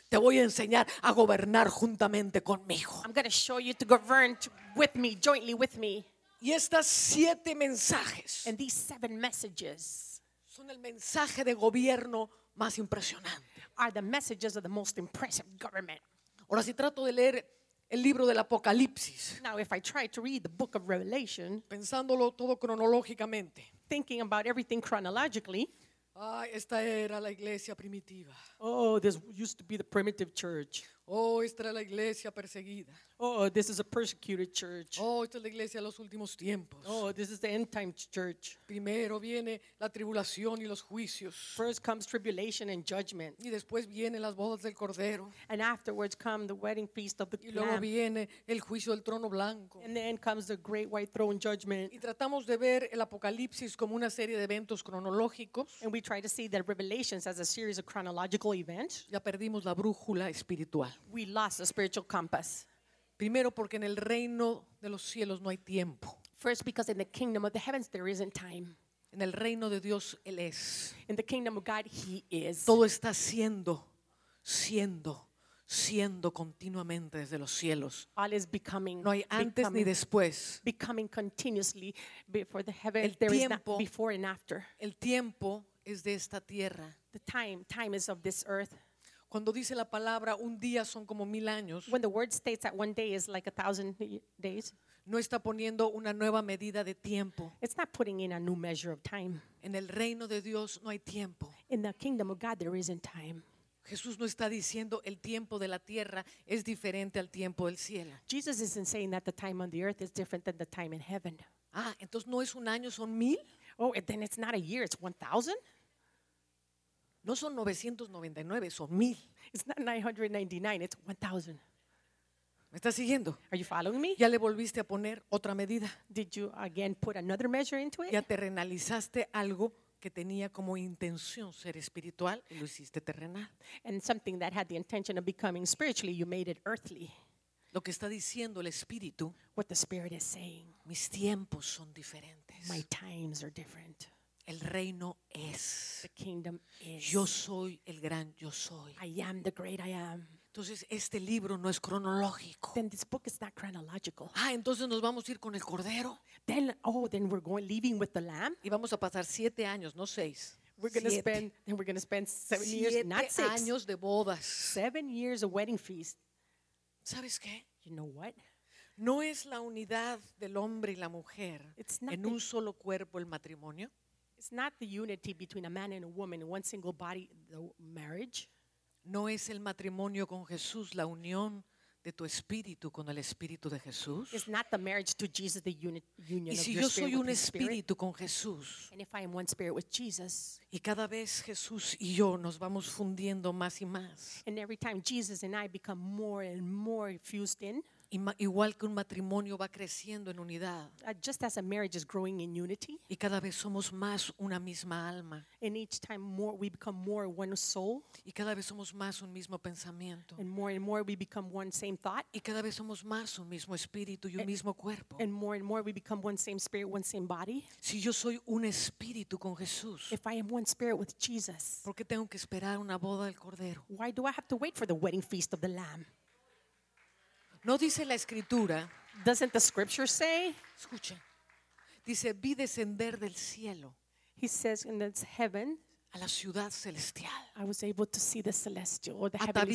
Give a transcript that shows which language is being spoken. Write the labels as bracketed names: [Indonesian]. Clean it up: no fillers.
[Spanish] te voy a enseñar a gobernar juntamente conmigo. [English] I'm going to show you to govern with me, jointly with me. [Spanish] Y estas siete mensajes, [English] and these seven messages, [Spanish] son el mensaje de gobierno más impresionante. [English] Are the messages of the most impressive government. [Spanish] Ahora si trato de leer el libro del Apocalipsis. [English] Now, if I try to read the book of Revelation, [Spanish] pensándolo todo cronológicamente. [English] Thinking about everything chronologically. [Spanish] Ah, esta era la iglesia primitiva. [English] Oh, this used to be the primitive church. [Spanish] Oh, esta era la iglesia perseguida. [English] Oh, this is a persecuted church. [Spanish] Oh, esta es la iglesia de los últimos tiempos. [English] Oh, this is the end time church. [Spanish] Primero viene la tribulación y los juicios. [English] First comes tribulation and judgment. [Spanish] Y después vienen las bodas del cordero. [English] And afterwards come the wedding feast of the lamb. [Spanish] Y luego viene el juicio del trono blanco. [English] And then comes the great white throne judgment. [Spanish] Y tratamos de ver el Apocalipsis como una serie de eventos cronológicos. [English] And we try to see the revelations as a series of chronological events. [Spanish] Ya perdimos la brújula espiritual. [English] We lost the spiritual compass. [Spanish] Primero porque en el reino de los cielos no hay tiempo. [English] First, because in the kingdom of the heavens there isn't time. [Spanish] En el reino de Dios, Él es. [English] In the kingdom of God, He is. [Spanish] Todo está siendo, siendo, siendo continuamente desde los cielos. [English] All is becoming. [Spanish] No hay antes ni después. [English] Becoming continuously before the heaven. [Spanish] El tiempo, [English] there is not before and after. [Spanish] El tiempo es de esta tierra. [English] The time is of this earth. [Spanish] Cuando dice la palabra, un día son como mil años. [English] When the word states that one day is like a thousand days. [Spanish] No está poniendo una nueva medida de tiempo. [English] It's not putting in a new measure of time. [Spanish] En el reino de Dios no hay tiempo. [English] In the kingdom of God there isn't time. [Spanish] Jesús no está diciendo el tiempo de la tierra es diferente al tiempo del cielo. [English] Jesus isn't saying that the time on the earth is different than the time in heaven. [Spanish] Ah, entonces no es un año, son mil. [English] Oh, then it's not a year, it's 1,000. [Spanish] No son 999, son mil. [English] It's not 999, it's 1,000. [Spanish] ¿Me estás siguiendo? [English] Are you following me? [Spanish] ¿Ya le volviste a poner otra medida? [English] Did you again put another measure into it? [Spanish] ¿Ya terrenalizaste algo que tenía como intención ser espiritual y lo hiciste terrenal? [English] And something that had the intention of becoming spiritually, you made it earthly. [Spanish] Lo que está diciendo el Espíritu. [English] What the Spirit is saying. [Spanish] Mis tiempos son diferentes. [English] My times are different. [Spanish] El reino es. [English] The kingdom is. [Spanish] Yo soy el gran yo soy. [English] I am the great I am. [Spanish] Entonces este libro no es cronológico. [English] Then this book is not chronological. [Spanish] Ah, entonces nos vamos a ir con el cordero. [English] Then, oh, then we're going leaving with the lamb. [Spanish] Y vamos a pasar siete años, no seis. [English] We're gonna spend. Then we're gonna spend seven years, not six. [Spanish] Siete años de bodas. [English] 7 years of wedding feast. [Spanish] ¿Sabes qué? [English] You know what? [Spanish] No es la unidad del hombre y la mujer en un solo cuerpo el matrimonio. [English] It's not the unity between a man and a woman in one single body, the marriage. [Spanish] No es el matrimonio con Jesús la unión de tu espíritu con el espíritu de Jesús. [English] It's not the marriage to Jesus, the union of your spirit with His spirit. [Spanish] Y si yo soy un espíritu con Jesús. [English] And if I am one spirit with Jesus. [Spanish] Y cada vez Jesús y yo nos vamos fundiendo más y más. [English] And every time Jesus and I become more and more fused in. [Spanish] Igual que un matrimonio va creciendo en unidad. [English] Just as a marriage is growing in unity. [Spanish] Y cada vez somos más una misma alma. [English] And each time more we become more one soul. [Spanish] Y cada vez somos más un mismo pensamiento. [English] And more we become one same thought. [Spanish] Y cada vez somos más un mismo espíritu y un mismo cuerpo. [English] And more we become one same spirit, one same body. [Spanish] Si yo soy un espíritu con Jesús. [English] If I am one spirit with Jesus. [Spanish] ¿Por qué tengo que esperar una boda del cordero? [English] Why do I have to wait for the wedding feast of the lamb? [Spanish] No dice la escritura. [English] Doesn't the scripture say? [Spanish] Escucha. Dice, vi descender del cielo. [English] He says in its heaven. [Spanish] A la ciudad celestial. [English] I was able to see the celestial or the heavenly